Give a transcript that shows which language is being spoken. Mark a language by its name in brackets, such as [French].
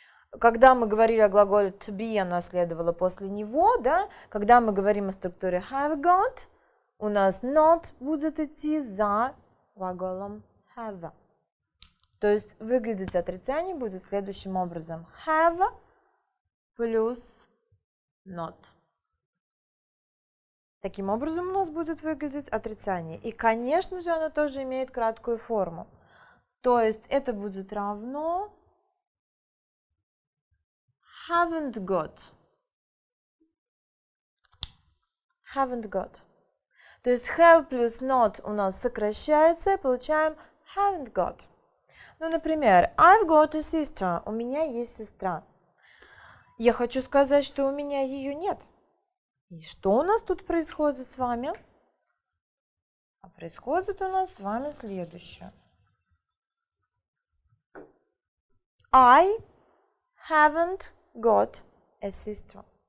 [Russian] Когда мы говорили о глаголе to be, она следовала после него, да? Когда мы говорим о структуре have got, у нас not будет идти за глаголом have. То есть выглядеть отрицание будет следующим образом. Have плюс not. Таким образом у нас будет выглядеть отрицание. И, конечно же, оно тоже имеет краткую форму. То есть это будет равно haven't got. Haven't got. То есть have плюс not у нас сокращается, и получаем haven't got. Ну, например, [English] I've got a sister. [Russian] У меня есть сестра. Я хочу сказать, что у меня ее нет. И что у нас тут происходит с вами? А происходит у нас с вами следующее. [English] I haven't got a sister.